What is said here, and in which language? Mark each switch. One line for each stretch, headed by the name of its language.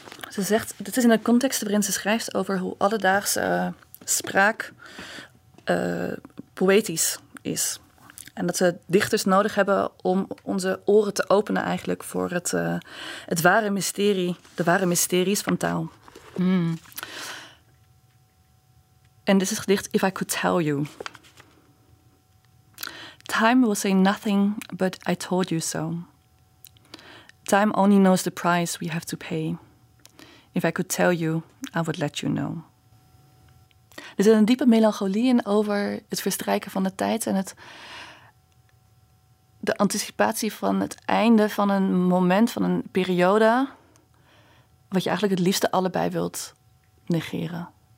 Dutch: Ze zegt, dit is in een context waarin ze schrijft over hoe alledaagse spraak poëtisch is. En dat ze dichters nodig hebben om onze oren te openen eigenlijk voor het ware mysterie, de ware mysteries van taal. Hmm. En dit is het gedicht If I Could Tell You.
English: Time will say nothing, but I told you so. Time only knows the price we have to pay. If I could tell you, I would let you know.
Dutch: Er zit een diepe melancholie in over het verstrijken van de tijd en de anticipatie van het einde van een moment, van een periode, wat je eigenlijk het liefste allebei wilt negeren.